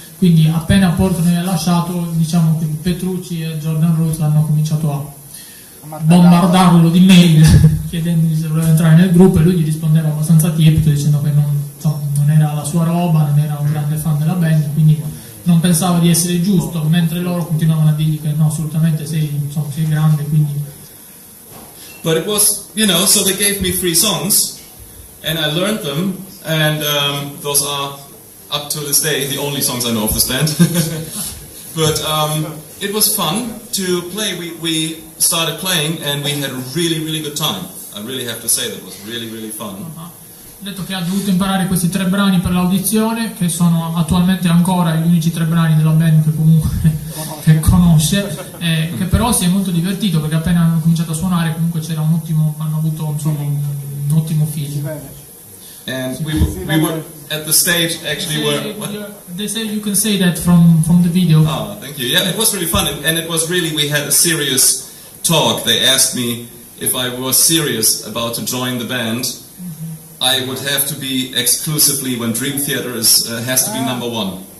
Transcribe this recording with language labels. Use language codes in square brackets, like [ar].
[it] Quindi appena Portnoy è lasciato, diciamo che Petrucci e Jordan Rose hanno cominciato a bombardarlo di mail chiedendogli se voleva entrare nel gruppo, e lui gli rispondeva abbastanza tiepido dicendo che non era la sua roba, non era un grande fan della band, quindi non pensava di essere giusto, mentre loro continuavano a dirgli che no, assolutamente sei grande, quindi. [en] But it was, you know, so they gave me 3 songs and I learned them, and those are up to this day the only songs I know of this band. But it was fun to play. We started playing and we had a really, really good time. I really have to say that it was really, really fun. [it] Ha detto che ha dovuto imparare questi 3 brani per l'audizione, che sono attualmente ancora gli unici 3 brani della band che comunque che conosce, che però si è molto divertito perché appena hanno cominciato a suonare comunque c'era un ottimo, hanno avuto insomma un ottimo feeling. [en] And we were at the stage, actually, they say you can say that from the video. Oh, thank you. Yeah, it was really fun, and it was really, we had a serious talk. They asked me if I was serious about to join the band. I would have to be exclusively when Dream Theater is has to be number one.